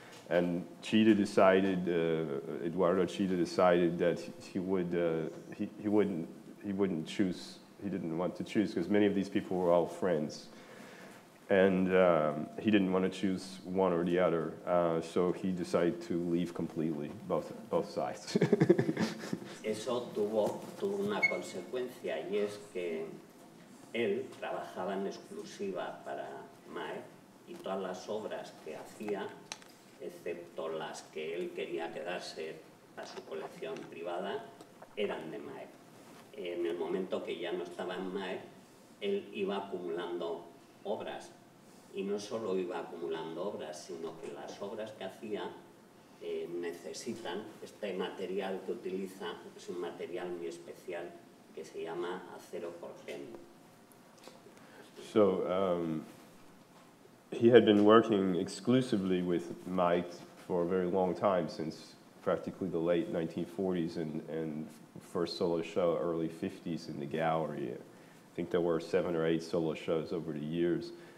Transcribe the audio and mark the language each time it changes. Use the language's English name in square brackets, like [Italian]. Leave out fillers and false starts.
[English] And Chillida decided, Eduardo Chillida decided that he didn't want to choose because many of these people were all friends. And he didn't want to choose one or the other, so he decided to leave completely, both sides. [Spanish] Eso tuvo una consecuencia, y es que él trabajaba en exclusiva para Mike, y todas las obras que hacía excepto las que él quería quedarse a su colección privada, eran de Maer. En el momento que ya no estaba en Maer, él iba acumulando obras. Y no solo iba acumulando obras, sino que las obras que hacía necesitan este material que utiliza, es un material muy especial que se llama acero forjado. [English] So he had been working exclusively with Maer for a very long time, since practically the late 1940s and first solo show early 50s in the gallery. I think there were 7 or 8 solo shows over the years.